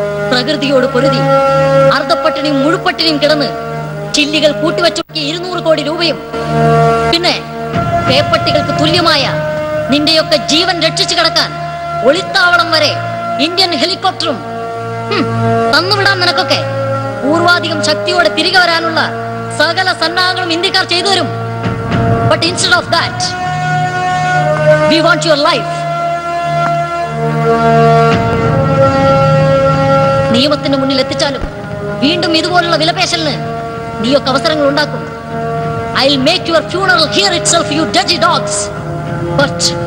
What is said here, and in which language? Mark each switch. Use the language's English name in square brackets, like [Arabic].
[Malayalam] പ്രകൃതിയോട് പൊരുതി അർദ്ധപ്പട്ടിണിയും മുഴുപ്പട്ടിണിയും കിടന്ന് ചില്ലികൾ കൂട്ടിവെച്ചൊക്കെ 200 കോടി രൂപയും പിന്നെ പേപ്പട്ടികൾക്ക് തുല്യമായ നിന്റെയൊക്കെ ജീവൻ രക്ഷിച്ചു കിടക്കാൻ ഒളിത്താവളം വരെ ഇന്ത്യൻ ഹെലികോപ്റ്ററും തന്നുവിടാൻ നിനക്കൊക്കെ പൂർവാധികം ശക്തിയോടെ തിരികെ വരാനുള്ള സകല സന്നാഹങ്ങളും ഇന്ത്യക്കാർ ചെയ്തു തരും. [English] But instead of that, we want your life. [Malayalam] നിയമത്തിന് മുന്നിൽ എത്തിച്ചാലും വീണ്ടും ഇതുപോലുള്ള വിലപേശലിന് നീയൊക്കെ അവസരങ്ങൾ ഉണ്ടാക്കും. [English] I'll make your funeral here itself, you dirty dogs. But